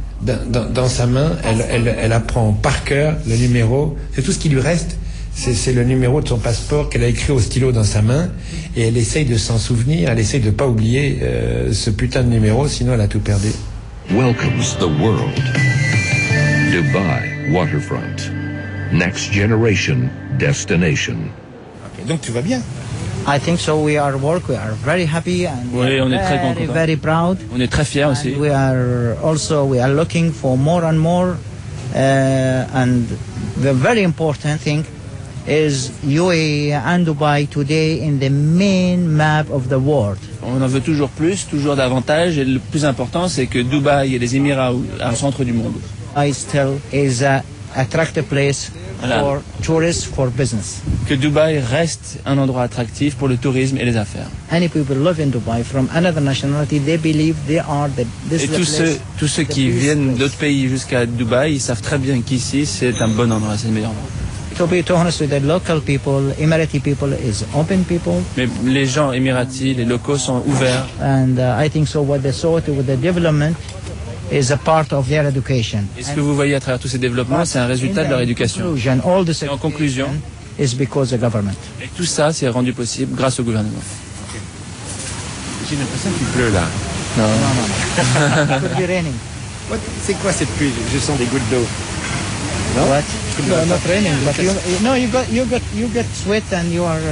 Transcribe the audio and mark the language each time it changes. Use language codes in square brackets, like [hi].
[fr] Dans sa main, elle apprend par cœur le numéro. C'est tout ce qui lui reste. C'est le numéro de son passeport qu'elle a écrit au stylo dans sa main. Et elle essaye de s'en souvenir. Elle essaye de ne pas oublier ce putain de numéro, sinon elle a tout perdu. [en] Welcomes the world. Dubai Waterfront. Next generation destination. [fr] Okay, donc tu vas bien. [en] I think so. We are work. We are very happy and [fr] oui, on est [en] very, [fr] très [en] very proud. [fr] On est très fiers [en] and [fr] aussi. [en] We are looking for more and more. And the very important thing is UAE and Dubai today in the main map of the world. [fr] On en veut toujours plus, toujours davantage. Et le plus important, c'est que Dubaï et les Émirats sont au centre du monde. [en] I still is a attractive place. Voilà. For tourists, for business. [fr] Que Dubaï reste un endroit attractif pour le tourisme et les affaires. [en] Any people live in Dubai from another nationality, they believe they are the. This [fr] et tous ceux qui viennent d'autres pays jusqu'à Dubaï, ils savent très bien qu'ici c'est un bon endroit, c'est le meilleur endroit. [en] To be honest with the local people, Emirati people is open people. [fr] Mais les gens émiratis, les locaux sont ouverts. [en] And I think so. What they saw with the development. Is a part of their education. [fr] Et ce que vous voyez à travers tous ces développements, c'est un résultat de leur éducation. Et en conclusion, [en] is because the government. [fr] Et tout ça, c'est rendu possible grâce au gouvernement. J'ai l'impression qu'il pleut là. [en] Non. It's raining. [fr] What? C'est quoi cette pluie? Je sens des gouttes d'eau. [en] Non? What? Not raining. But you get sweat and you are.